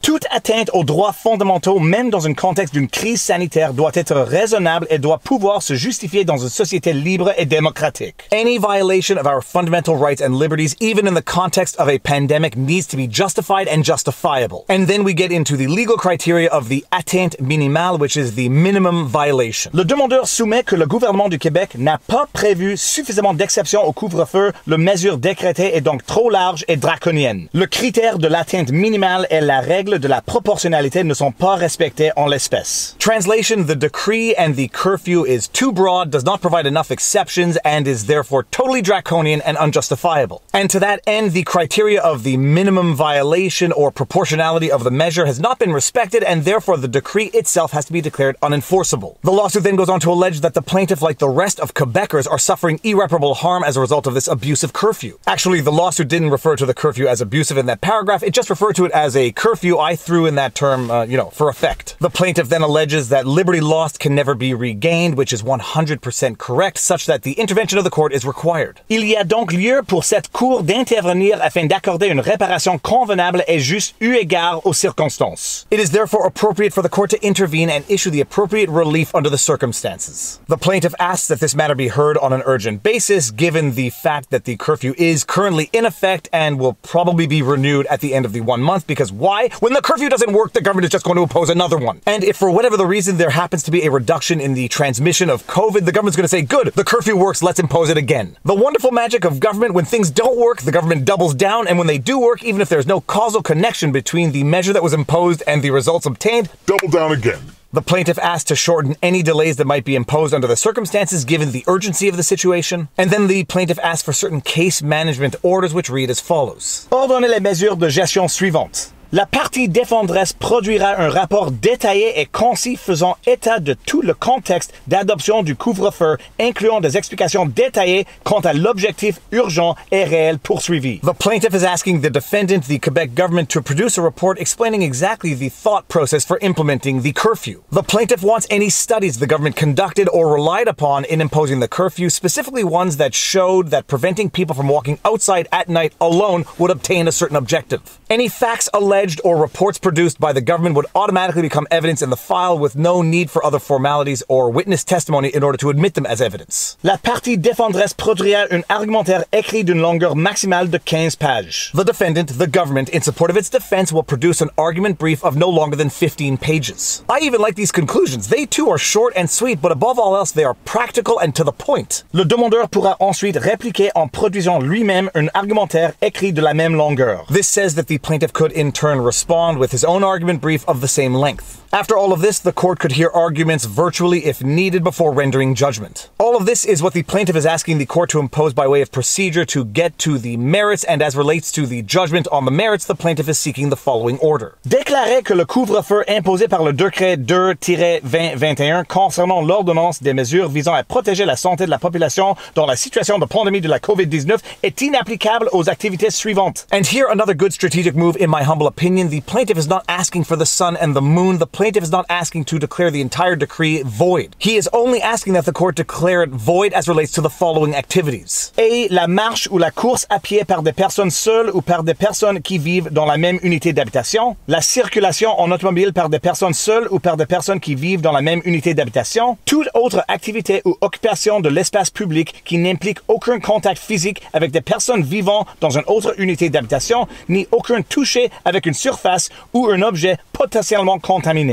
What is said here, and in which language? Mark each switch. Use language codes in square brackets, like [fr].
[fr] Toute atteinte aux droits fondamentaux, même dans un contexte d'une crise sanitaire, doit être raisonnable et doit pouvoir se justifier dans une société libre et démocratique. [en] Any violation of our fundamental rights and liberties, even in the context of a pandemic, needs to be justified and justifiable. And then we get into the legal criteria of the atteinte minimal, which is the minimum violation. [fr] Le demandeur soumet que le gouvernement du Québec n'a pas prévu suffisamment d'exceptions au couvre-feu, la mesure décrétée est donc trop large et draconienne. Le critère de l'atteinte minimale et la règle de la proportionnalité ne sont pas respectés en l'espèce. [en] Translation, the decree and the curfew is too broad, does not provide enough exceptions, and is therefore totally draconian and unjustifiable. And to that end, the criteria of the minimum violation or proportionality of the measure has not been respected, and therefore the decree itself has to be declared unenforceable. The lawsuit then goes on to allege that the plaintiff, like the rest of Quebecers, are suffering irreparable harm as a result of this abusive curfew. Actually, the lawsuit didn't refer to the curfew as abusive in that paragraph, it just referred to it as a curfew. I threw in that term, for effect. The plaintiff then alleges that liberty lost can never be regained, which is 100% correct, such that the intervention of the court is required. [fr] Il y a donc lieu pour cette cour d'intervenir afin d'accorder une réparation convenable et juste eu égard aux circonstances. [en] It is therefore appropriate for the court to intervene and issue the appropriate relief under the circumstances. The plaintiff asks that this matter be heard on an urgent basis, given the fact that the curfew is currently in effect and will probably be renewed at the end of the 1 month, because why? When the curfew doesn't work, the government is just going to impose another one. And if for whatever the reason there happens to be a reduction in the transmission of COVID, the government's going to say, good, the curfew works, let's impose it again. The wonderful magic of government: when things don't work, the government doubles down, and when they do work, even if there's no causal connection between the measure that was imposed and the results obtained, double down again. The plaintiff asked to shorten any delays that might be imposed under the circumstances given the urgency of the situation. And then the plaintiff asked for certain case management orders, which read as follows. [fr] Ordonnez les mesures de gestion suivantes. La partie défendresse produira un rapport détaillé et concis faisant état de tout le contexte d'adoption du couvre-feu, incluant des explications détaillées quant à l'objectif urgent et réel poursuivi. [en] The plaintiff is asking the defendant, the Quebec government, to produce a report explaining exactly the thought process for implementing the curfew. The plaintiff wants any studies the government conducted or relied upon in imposing the curfew, specifically ones that showed that preventing people from walking outside at night alone would obtain a certain objective. Any facts alleged or reports produced by the government would automatically become evidence in the file with no need for other formalities or witness testimony in order to admit them as evidence. [fr] La partie défendresse produira un argumentaire écrit d'une longueur maximale de 15 pages. [en] The defendant, the government, in support of its defense, will produce an argument brief of no longer than 15 pages. I even like these conclusions. They too are short and sweet, but above all else, they are practical and to the point. [fr] Le demandeur pourra ensuite répliquer en produisant lui-même un argumentaire écrit de la même longueur. [en] This says that the plaintiff could in turn respond with his own argument brief of the same length. After all of this, the court could hear arguments virtually if needed before rendering judgment. All of this is what the plaintiff is asking the court to impose by way of procedure to get to the merits, and as relates to the judgment on the merits, the plaintiff is seeking the following order. [fr] Déclarer que le couvre-feu imposé par le décret 2-2021 concernant l'ordonnance des mesures visant à protéger la santé de la population dans la situation de pandémie de la COVID-19 est inapplicable aux activités suivantes. [en] And here another good strategic move, in my humble opinion. The plaintiff is not asking for the sun and the moon. The plaintiff is not asking to declare the entire decree void. He is only asking that the court declare it void as relates to the following activities. [fr] A. La marche ou la course à pied par des personnes seules ou par des personnes qui vivent dans la même unité d'habitation. La circulation en automobile par des personnes seules ou par des personnes qui vivent dans la même unité d'habitation. Toute autre activité ou occupation de l'espace public qui n'implique aucun contact physique avec des personnes vivant dans une autre unité d'habitation, ni aucun toucher avec une surface ou un objet potentiellement contaminé.